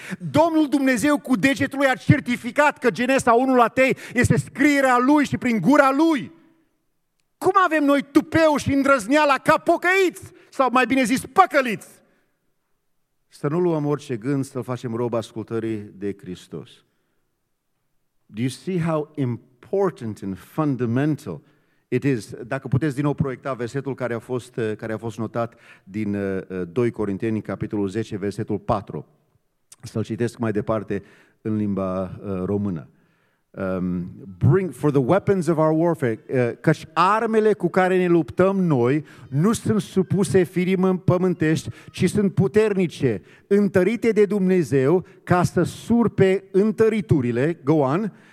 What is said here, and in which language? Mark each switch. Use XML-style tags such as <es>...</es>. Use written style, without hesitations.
<ro>Domnul Dumnezeu cu degetul lui a certificat că Genesa 1 la 3 este scrierea lui și prin gura lui. Cum avem noi tupeu și îndrăzneala ca pocăiți, sau mai bine zis păcăliți, să nu luăm orice gând, să-l facem rob ascultării de Hristos?</ro> <en>Do you see how important and fundamental it is?</en> <ro>Dacă puteți din nou proiecta versetul care a fost notat din 2 Corinteni, capitolul 10, versetul 4. Să-l citesc mai departe în limba română.</ro> <en>Bring for the weapons of our warfare,</en> <ro>căci armele cu care ne luptăm noi nu sunt supuse firii pământești, ci sunt puternice, întărite de Dumnezeu ca să surpe întăriturile.</ro> <en>Go on.</en>